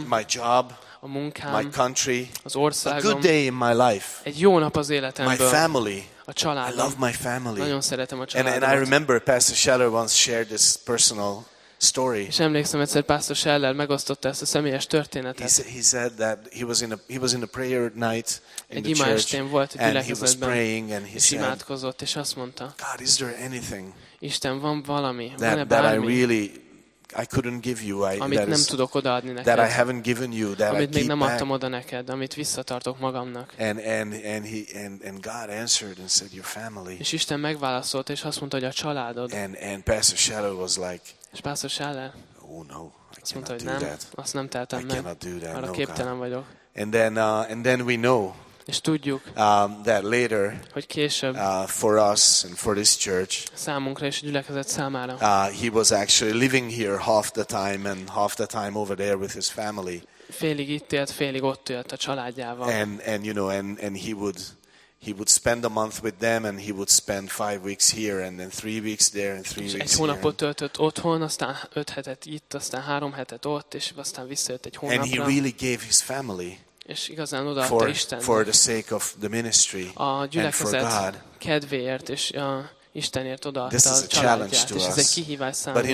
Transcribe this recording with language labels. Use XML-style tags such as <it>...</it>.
<en>My job.</en> <hu>A munkám.</hu> <en>My country.</en> <hu>Az országom.</hu> <en>A good day in my life.</en> <hu>Egy jó nap az életemben.</hu> <en>My family.</en> <hu>A családom.</hu> <en>I love my family.</en> <hu>Nagyon szeretem a családomat.</hu> <en>And I remember Pastor Scheller once shared this personal story.</en> <hu>És emlékszem, egyszer Pastor Scheller megosztotta ezt a személyes történetet.</hu> <en>He said that he was in a prayer night in</en> <hu>egy</hu> <en>the church.</en> <hu>Volt a</hu> <en>and he was praying and he said,</en> <hu>imádkozott, és azt mondta,</hu> <en>God, is there anything</en> <hu>Isten, van valami,</hu> <en>that,</en> <hu>bármi,</hu> <en>that I couldn't give you, that I haven't given you, that</en> <hu>amit</hu> <en>I keep back.</en> <hu>Oda neked, amit visszatartok magamnak.</hu> <en>And God answered and said, your family.</en> <hu>És Isten megválaszolt, és azt mondta, hogy a családod.</hu> <en>And Pastor Scheller was like,</en> <hu>és Pastor Scheller,</hu> <en>oh no, I</en> <hu>azt mondta, hogy nem,</hu> <en>that.</en> <hu>Azt nem tehetem meg.</hu> <en>I cannot do that,</en> <hu>arra</hu> <en>no,</en> <hu>képtelen</hu> <en>God.</en> <hu>Vagyok.</hu> <en>And then we know,</en> <hu>és tudjuk,</hu> <en>that later,</en> <hu>hogy később,</hu> <en>for us and for this church,</en> <hu>számunkra és a gyülekezet számára,</hu> <en>he was actually living here half the time and half the time over there with his family.</en> <hu>Félig itt élt, félig ott élt a családjával.</hu> <en>And he would spend a month with them and he would spend 5 weeks here and then 3 weeks there and 3 weeks here.</en> <hu>Egy hónapot töltött otthon, aztán 5 hetet itt, aztán 3 hetet ott, és aztán visszajött egy hónapra.</hu> <en>And he really gave his family.</en> <hu>És igazán odaadta Isten</hu> <en>for the sake of the ministry</en> <hu>a gyülekezet kedvéért és a Istenért odaadta a családját, és ez egy kihívás számunkra.</hu>